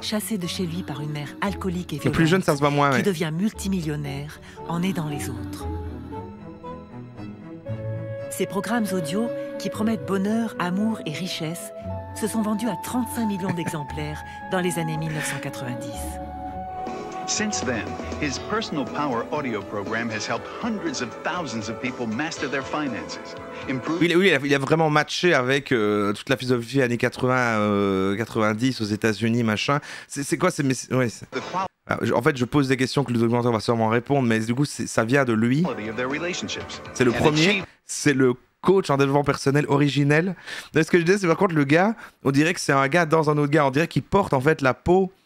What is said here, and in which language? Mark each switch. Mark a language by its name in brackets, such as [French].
[French] chassé de chez lui par une mère alcoolique et violente. Le plus jeune, ça se voit moins. Qui devient multimillionnaire en aidant les autres. Ces programmes audio qui promettent bonheur, amour et richesse se sont vendus à 35 millions d'exemplaires dans les années 1990. [English] Since then, his Personal Power audio program has helped hundreds of thousands of people master their finances. [French] Il a vraiment matché avec toute la philosophie années 80, 90 aux États-Unis, machin. C'est quoi c'est, mais, ouais, c'est... En fait, je pose des questions que le documentaire va sûrement répondre, mais du coup, ça vient de lui. C'est le premier. C'est le coach en développement personnel originel. Mais ce que je disais, c'est par contre, le gars, on dirait que c'est un gars dans un autre gars. On dirait qu'il porte en fait la peau.